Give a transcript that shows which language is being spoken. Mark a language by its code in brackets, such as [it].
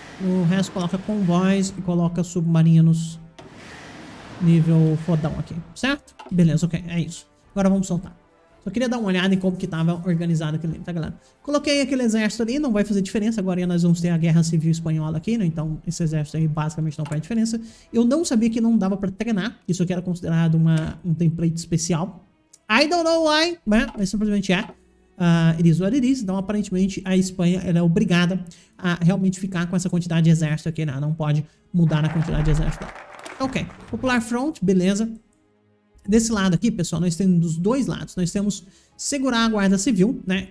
[pt] O resto coloca convóis e coloca submarinos nível fodão aqui, certo? Beleza, ok, é isso. Agora vamos soltar. Só queria dar uma olhada em como que tava organizado aquele, tá, galera? Coloquei aquele exército ali, não vai fazer diferença. Agora nós vamos ter a Guerra Civil Espanhola aqui, né? Então esse exército aí basicamente não faz diferença. Eu não sabia que não dava pra treinar. Isso aqui era considerado um template especial. [en] I don't know why, mas simplesmente é. It is what it is. [pt] Então, aparentemente, a Espanha ela é obrigada a realmente ficar com essa quantidade de exército aqui, né? Não pode mudar na quantidade de exército. Ok. Popular Front, beleza. Desse lado aqui, pessoal, nós temos dos dois lados. Nós temos segurar a Guarda Civil, né?